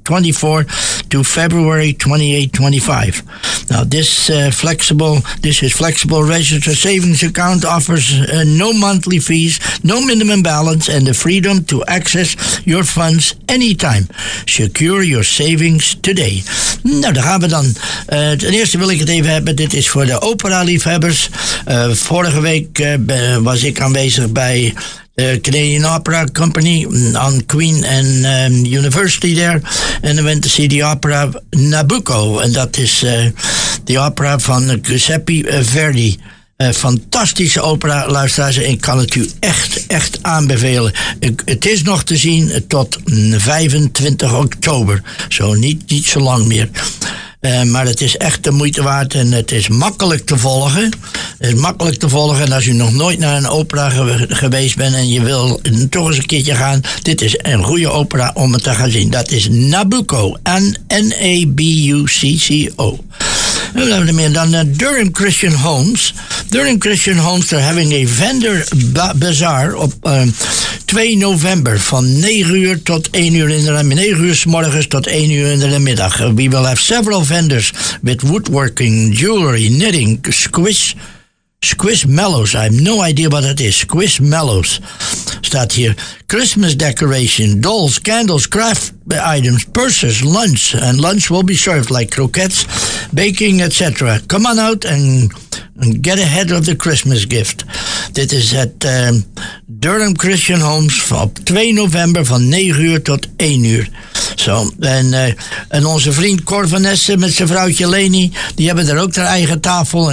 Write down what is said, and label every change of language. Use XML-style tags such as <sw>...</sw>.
<en>24 to February 28, 25. Now, this flexible registered savings account offers no monthly fees, no minimum balance, and the freedom to access your funds anytime. Secure your savings today.</en> <nl>Nou, daar gaan we dan. Ten eerste wil ik het even hebben. Dit is voor de opera-liefhebbers. Vorige week was ik aanwezig bij de Canadian Opera Company</nl> <en>on Queen and University there. En I went to see the opera Nabucco.</en> <nl>En dat is de opera van Giuseppe Verdi. Fantastische opera, luisteraars. Ik kan het u echt, echt aanbevelen. Het is nog te zien tot 25 oktober. Zo, niet zo lang meer. Maar het is echt de moeite waard en het is makkelijk te volgen. Het is makkelijk te volgen en als u nog nooit naar een opera geweest bent en je wil toch eens een keertje gaan, dit is een goede opera om het te gaan zien. Dat is Nabucco. N-A-B-U-C-C-O. Dan Durham Christian Homes. Durham Christian Homes</nl> <en>are having a vendor bazaar</en> <nl>op 2 november van 9 uur tot 1 uur in de middag. 9 uur 's morgens tot 1 uur in de middag.</nl> <en>We will have several vendors with woodworking, jewelry, knitting, squishmallows. I have no idea what that is. Squishmallows.</en> <nl>Staat hier.</nl> <en>Christmas decoration, dolls, candles, craft items, purses, lunch. And lunch will be served like croquettes, baking, etc. Come on out and get ahead of the Christmas gift.</en> <nl>Dit is at Durham Christian Homes op 2 november van 9 uur tot 1 uur. Zo, en onze vriend Cor van Essen met zijn vrouwtje Leni, die hebben daar ook haar eigen tafel.</nl>